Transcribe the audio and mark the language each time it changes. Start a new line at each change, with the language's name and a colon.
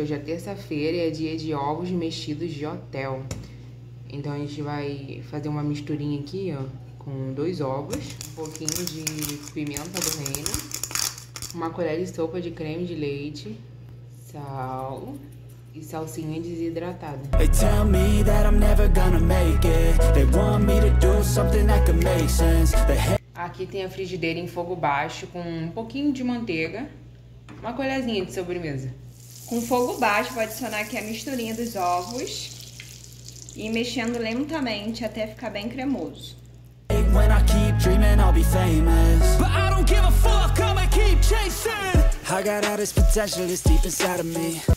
Portuguese: Hoje é terça-feira e é dia de ovos mexidos de hotel. Então a gente vai fazer uma misturinha aqui, ó, com dois ovos, um pouquinho de pimenta do reino, uma colher de sopa de creme de leite, sal e salsinha desidratada.
English: They tell me that I'm never gonna make it. They want me to do something that can make sense.
Portuguese: Aqui tem a frigideira em fogo baixo com um pouquinho de manteiga, uma colherzinha de sobremesa. Com fogo baixo, vou adicionar aqui a misturinha dos ovos e mexendo lentamente até ficar bem cremoso.
English: When I keep dreaming, I'll be famous. But I don't give a fuck, I'ma keep chasing. I got all this potential that's deep inside of me.